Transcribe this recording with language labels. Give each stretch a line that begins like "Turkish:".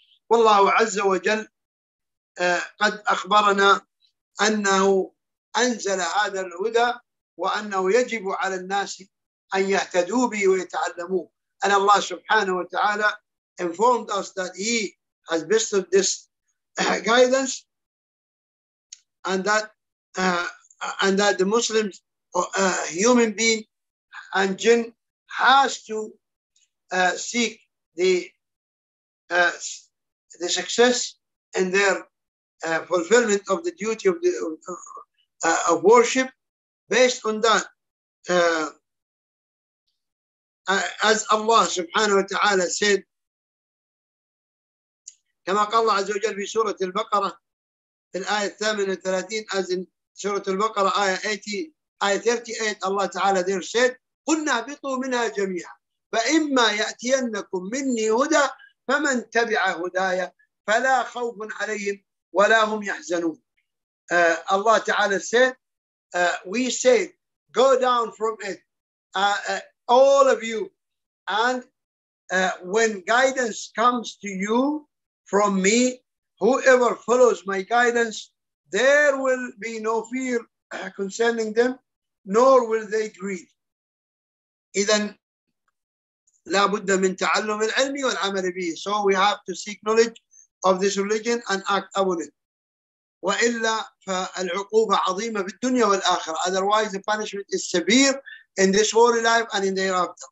Arabic: والله عز وجل قد أخبرنا أنه أنزل هذا الهدى وأنه يجب على الناس أن يهتدوا به ويتعلموه.
English: And Allah subhanahu wa ta'ala informed us that he has bestowed this guidance and that the Muslims, human being and jinn, has to seek the success in their fulfillment of the duty of the of worship based on that. As Allah subhanahu wa ta'ala said,
Arabic: كما قال الله عز وجل في سورة البقرة في الآية 38,
English: as in Surah Al-Baqarah, ayah 80, ayah 38, Allah Ta'ala there said,
Arabic: قُلْنَا بِطُوا مِنْهَا جَمِيعًا فَإِمَّا يَأْتِيَنَّكُمْ مِنِّي هُدَى فَمَنْ تَبِعَ هُدَايَ فَلَا خَوْفٌ عَلَيْهِمْ وَلَا هُمْ يَحْزَنُونَ.
English: Allah Ta'ala said, we said, go down from it, all of you. And when guidance comes to you from me, whoever follows my guidance, there will be no fear concerning them, nor will they grieve.
Arabic: إذن لا بد من تعلم العلم والعمل به.
English: So we have to seek knowledge of this religion and act upon it.
Arabic: وإلا فالعقوبة عظيمة في الدنيا والآخرة.
English: Otherwise, the punishment is severe in this holy life and in the hereafter.